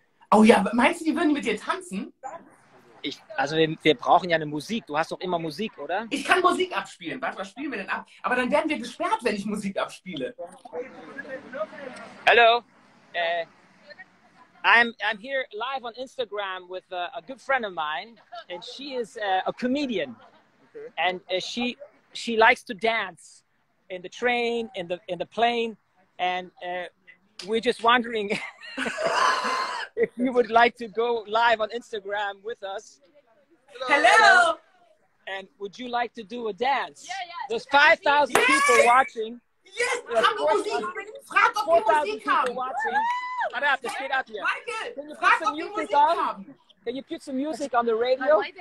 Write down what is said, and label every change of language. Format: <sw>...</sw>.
<de>Oh ja, meinst du, die würden mit dir tanzen? Wir brauchen ja eine Musik. Du hast doch immer Musik, oder? Ich kann Musik abspielen. Warte, was spielen wir denn ab? Aber dann werden wir gesperrt, wenn ich Musik abspiele. Hallo.</de> <en>I'm here live on Instagram with a good friend of mine. And she is a comedian. And she likes to dance in the train, in the plane. And we're just wondering... if you would like to go live on Instagram with us. Hello. And would you like to do a dance? Yeah. There's 5,000 people watching.</en> <de>Yes, haben wir Musik? Frag, ob wir Musik haben.</de> <en>Watching.</en> <de>Warte ab, das geht ab hier. Michael, frag, ob wir Musik haben.</de> <en>Can you put some music on the radio?</en>